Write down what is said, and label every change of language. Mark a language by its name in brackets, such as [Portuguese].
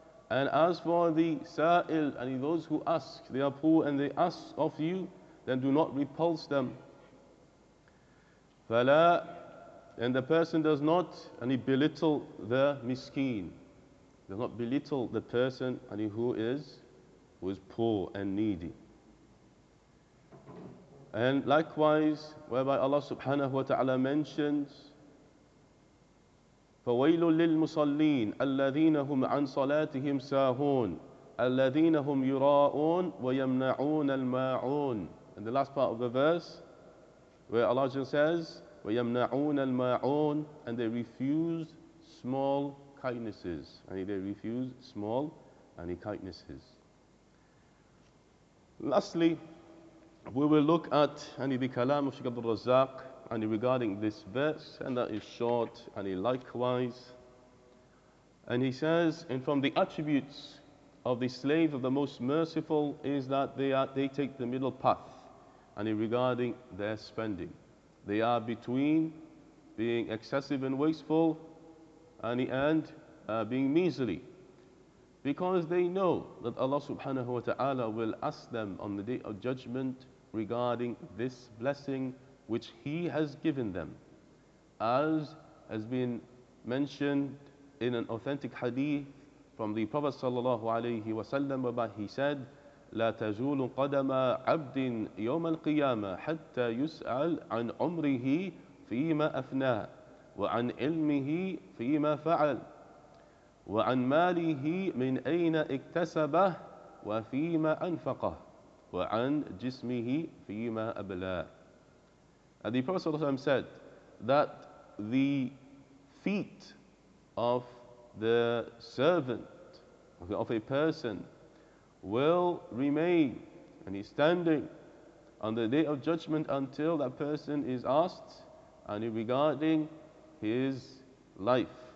[English] And as for the sa'il, and those who ask, they are poor and they ask of you, then do not repulse them. فَلَا, and the person does not belittle the miskeen. Does not belittle the person who is poor and needy. And likewise, whereby Allah subhanahu wa ta'ala mentions, [Arabic] فَوَيْلٌ لِلْمُصَلِّينَ الَّذِينَ هُمْ عَنْ صَلَاتِهِمْ سَاهُونَ الَّذِينَ هُمْ يُرَاءُونَ وَيَمْنَعُونَ الْمَاعُونَ. [English] And the last part of the verse, where Allah just says, [Arabic] وَيَمْنَعُونَ الْمَاعُونَ, [English] and they refuse small kindnesses. And they refuse small kindnesses. Lastly, we will look at any bi kalam of Sheikh Abdul Razzaq and regarding this verse, and that is short, and likewise. And he says, and from the attributes of the slave of the Most Merciful is that they take the middle path, and regarding their spending, they are between being excessive and wasteful, and being measly. Because they know that Allah subhanahu wa ta'ala will ask them on the day of judgment regarding this blessing which He has given them. As has been mentioned in an authentic hadith from the Prophet sallallahu alayhi wa sallam, whereby he said, [Arabic] لا تزول قدم عبد يوم القيامة حتى يسأل عن عمره فيما أفنى وعن علمه فيما فعل وعن ماله من أين اكتسبه وفيما أنفقه وعن جسمه فيما أبلاه. [English] And the Prophet ﷺ said that the feet of the servant of a person will remain and he's standing on the day of judgment until that person is asked and regarding his life.